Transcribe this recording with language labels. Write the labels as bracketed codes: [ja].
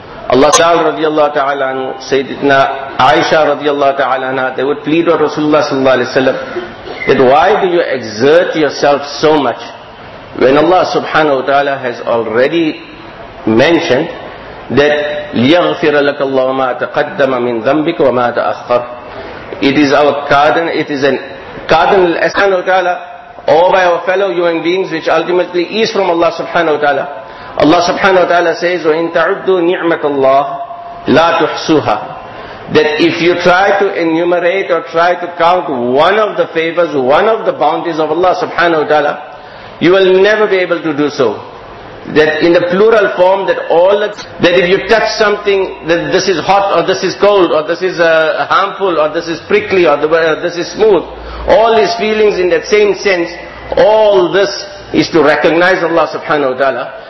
[en] Allah ta'ala radiallahu ta'ala anhu, Sayyidina Aisha radiallahu ta'ala anha, they would plead with Rasulullah sallallahu alayhi wa sallam, that why do you exert yourself so much when Allah subhanahu wa ta'ala has already mentioned that [ar] لِيَغْفِرَ لَكَ اللَّهُ مَا تَقَدَّمَ مِنْ ذَنْبِكَ وَمَا تَأَخَّرَ. [en] It is our cardinal, it is a cardinal asana wa ta'ala over our fellow human beings, which ultimately is from Allah subhanahu wa ta'ala. Allah subhanahu wa ta'ala says, [ar] وَإِن تَعُدُّوا نِعْمَةَ اللَّهِ لَا تُحْصُوهَا. [en] That if you try to enumerate or try to count one of the favors, one of the bounties of Allah subhanahu wa ta'ala, you will never be able to do so. That in the plural form, that all that if you touch something, that this is hot or this is cold or this is harmful or this is prickly or this is smooth, all these feelings in that same sense, all this is to recognize Allah subhanahu wa ta'ala.